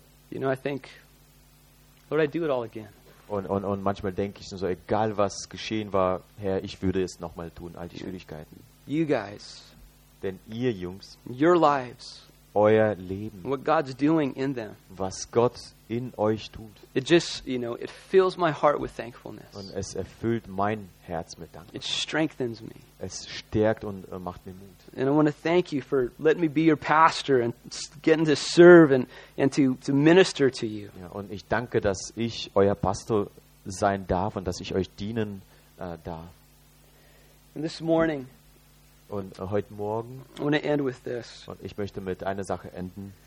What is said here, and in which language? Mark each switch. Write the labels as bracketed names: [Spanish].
[English] You know, I think, Lord, I'd do it all again. [German] Und manchmal denke ich so, egal was geschehen war, Herr, ich würde es nochmal tun, all die Schwierigkeiten. [English] You guys, [German] denn ihr Jungs, [English] your lives, [German] euer Leben, [English] what God's doing in them, [German] was Gott in euch tut, [English] it just, you know, it fills my heart with thankfulness. [German] Und es erfüllt mein Herz mit Dankbarkeit. [English] It strengthens me. [German] Es stärkt und macht mir Mut. [English] And I want to thank you for letting me be your pastor and getting to serve and to minister to you. [German] Ja, und ich danke, dass ich euer Pastor sein darf und dass ich euch dienen darf. [English] And this morning, [German] und heute Morgen, [English] I want to end with this. [German] Und ich möchte mit einer Sache enden.